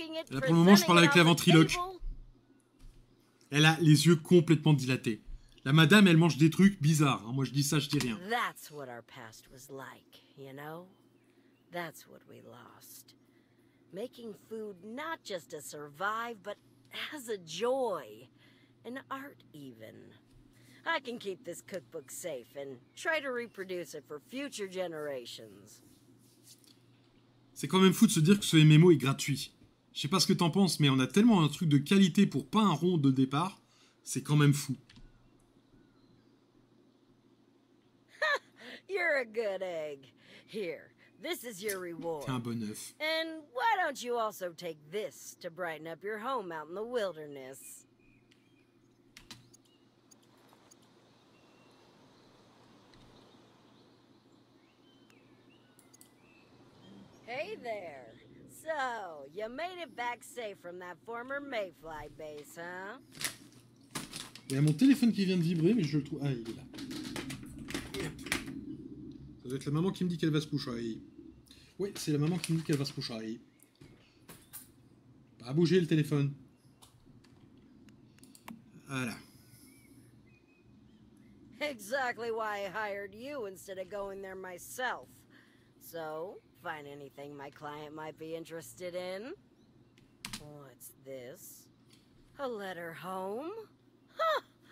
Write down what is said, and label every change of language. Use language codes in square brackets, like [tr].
[fr] Là, pour le moment, je parle avec la ventriloque. Elle a les yeux complètement dilatés. La madame, elle mange des trucs bizarres. Moi, je dis ça, je dis rien. [en] That's what our past was like, you know? That's what we lost. Making food not just to survive, but as a joy, an art even. I can keep this cookbook safe and try to reproduce it for future generations. [fr] C'est quand même fou de se dire que ce MMO est gratuit. Je sais pas ce que t'en penses, mais on a tellement un truc de qualité pour pas un rond de départ, c'est quand même fou. [en] You're a good egg. Here. This is your reward. [fr] T'es un bon œuf. [en] And why don't you also take this to brighten up your home out in the wilderness? Hey there. So, you made it back safe from that former Mayfly base, huh? [fr] Il y a mon téléphone qui vient de vibrer, mais je le trouve. Ah, il est là. Ça doit être la maman qui me dit qu'elle va se coucher. Oui, c'est la maman qui me dit qu'elle va se coucher. Pas bouger le téléphone. Voilà. [en] Exactly why I hired you instead of going there myself. So, find anything my client might be interested in. What's this? A letter home? Huh!